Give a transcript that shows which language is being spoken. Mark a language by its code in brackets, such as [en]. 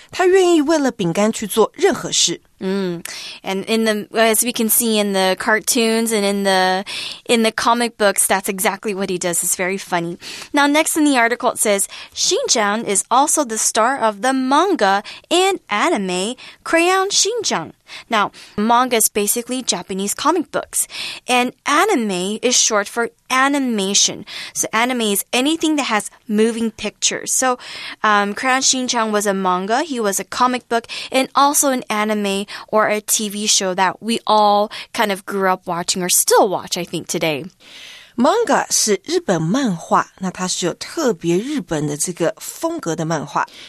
[zh] 他愿意为了饼干去做任何事。 [en] And in the, as we can see in the cartoons and in the comic books, that's exactly what he does. It's very funny. Now, next in the article, it says, Xinjiang is also the star of the manga and anime, Crayon Xinjiang. Now, manga is basically Japanese comic books. And anime is short for animation. So anime is anything that has moving pictures. So Crayon Xinjiang was a manga. He was a comic book and also an animeor a TV show that we all kind of grew up watching or still watch, I think, today. [zh] Manga 是日本漫画，那它是有特别日本的这个风格的漫画。